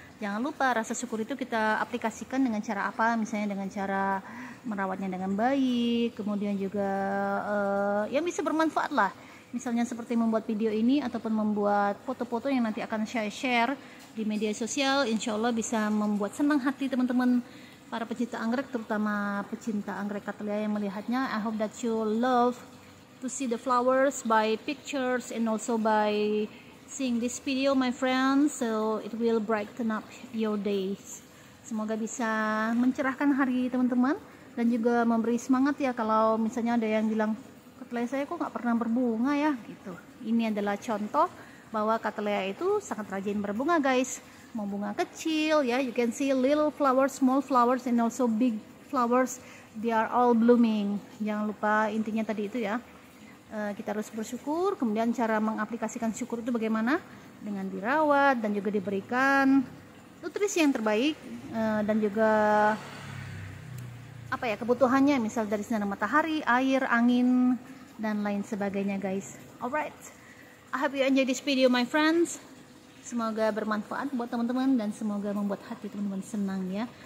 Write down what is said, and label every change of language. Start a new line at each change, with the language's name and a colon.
Indonesian: Jangan lupa rasa syukur itu kita aplikasikan dengan cara apa, misalnya dengan cara merawatnya dengan baik, kemudian juga yang bisa bermanfaat lah, misalnya seperti membuat video ini ataupun membuat foto-foto yang nanti akan saya share di media sosial. Insya Allah bisa membuat senang hati teman-teman para pecinta anggrek, terutama pecinta anggrek Katalia yang melihatnya.
English: I hope that you love to see the flowers by pictures and also by seeing this video, my friend. So it will brighten up your days.
Indonesian: Semoga bisa mencerahkan hari teman-teman dan juga memberi semangat ya. Kalau misalnya ada yang bilang, Katalia saya kok nggak pernah berbunga ya, gitu. Ini adalah contoh bahwa Katalia itu sangat rajin berbunga, guys.
English: Mau bunga kecil ya, you can see little flowers, small flowers and also big flowers, they are all blooming.
Indonesian: Jangan lupa intinya tadi itu ya, kita harus bersyukur. Kemudian cara mengaplikasikan syukur itu bagaimana, dengan dirawat dan juga diberikan nutrisi yang terbaik dan juga apa ya, kebutuhannya, misal dari sinar matahari, air, angin dan lain sebagainya guys.
English: Alright, I hope you enjoy this video my friends.
Indonesian: Semoga bermanfaat buat teman-teman dan semoga membuat hati teman-teman senang ya.